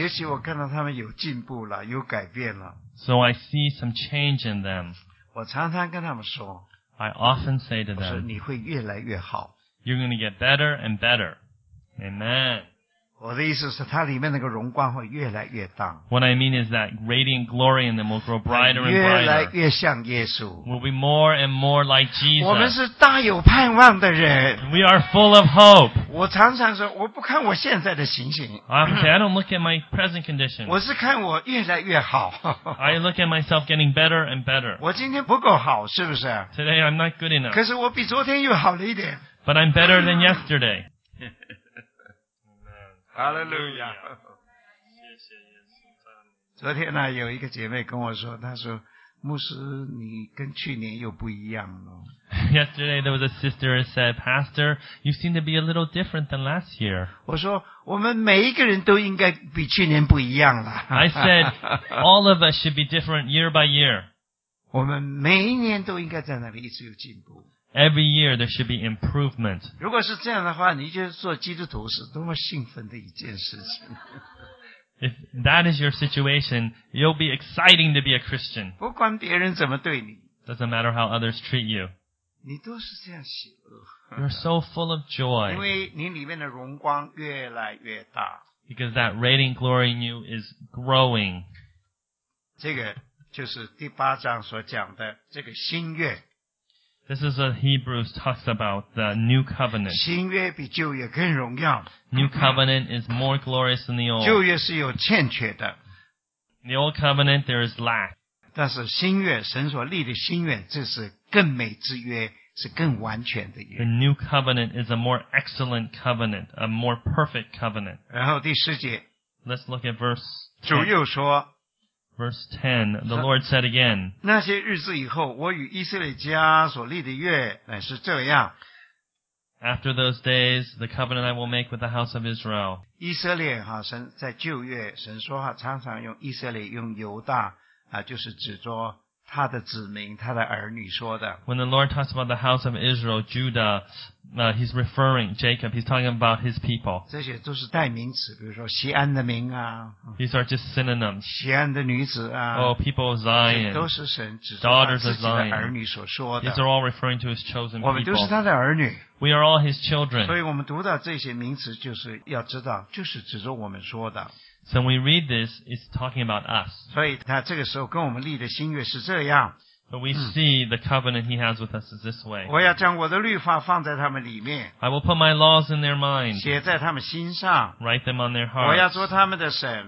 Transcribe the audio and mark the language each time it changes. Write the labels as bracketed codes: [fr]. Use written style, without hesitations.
[zh] 也许我看到他们有进步了，有改变了。 [en] So I see some change in them. [zh] 我常常跟他们说。 [en] I often say to them, [zh] 我说你会越来越好。 [en] You're going to get better and better. Amen. [zh] 我的意思是它里面那个荣光会越来越大。 [en] What I mean is that radiant glory in them will grow brighter and brighter. [zh] 越来越像耶稣。 [en] We'll be more and more like Jesus. [zh] 我们是大有盼望的人。 [en] We are full of hope. [zh] 我常常说我不看我现在的情形。 [en] Okay, I don't look at my present condition. [zh] 我是看我越来越好。 [en] I look at myself getting better and better. [zh] 我今天不够好是不是？ [en] Today I'm not good enough. [zh] 可是我比昨天又好了一点。 [en] But I'm better than yesterday. Hallelujah. [zh] 昨天呢、啊、有一个姐妹跟我说，她说牧师你跟去年又不一样了。 [en] Yesterday there was a sister who said, Pastor, you seem to be a little different than last year. [zh] 我说我们每一个人都应该比去年不一样了。 [en] I said, all of us should be different year by year. [zh] 我们每一年都应该在那里一直有进步。 [en] Every year there should be improvement. [zh] 如果是这样的话，你就做基督徒是多么兴奋的一件事情。 [en] If that is your situation, you'll be exciting to be a Christian. [zh] 不管别人怎么对你。 [en] Doesn't matter how others treat you. [zh] 你都是这样喜乐。 [en] You're so full of joy. [zh] 因为你里面的荣光越来越大。 [en] Because that radiant glory in you is growing. [zh] 这个就是第八章所讲的这个新约。 [en] This is what Hebrews talks about, the new covenant. [zh] 新约比旧约更荣耀。 [en] New covenant is more glorious than the old. [zh] 旧约是有欠缺的。 [en] The old covenant, there is lack. [zh] 但是新约，神所立的新约，这是更美之约，是更完全的约。 [en] The new covenant is a more excellent covenant, a more perfect covenant. [zh] 然后第十节。 [en] Let's look at verse 10. [zh] 主又说。 [en] Verse 10, the Lord said again, [zh] 那些日子以后，我与以色列家所立的约乃是这样。 [en] After those days, the covenant I will make with the house of Israel. [zh] 以色列哈，神在旧约，神说话常常用以色列，用犹大啊，就是指着他的子民他的儿女说的。 [en] When the Lord talks about the house of Israel, Judah, he's referring Jacob, he's talking about his people. [zh] 这些都是代名词，比如说锡安的民啊。 [en] These are just synonyms. [zh] 锡安的女子啊。 [en] Oh, people of Zion. [zh] 都是神指 [en] 着daughters of Zion. [zh] 自己的儿女所说的。 [en] These are all referring to his chosen people. [zh] 我们都是他的儿女。 [en] We are all his children. [zh] 所以我们读到这些名词就是要知道就是指着我们说的。 [en] So when we read this, it's talking about us. But we see the covenant he has with us is this way. I will put my laws in their mind. Write them on their hearts.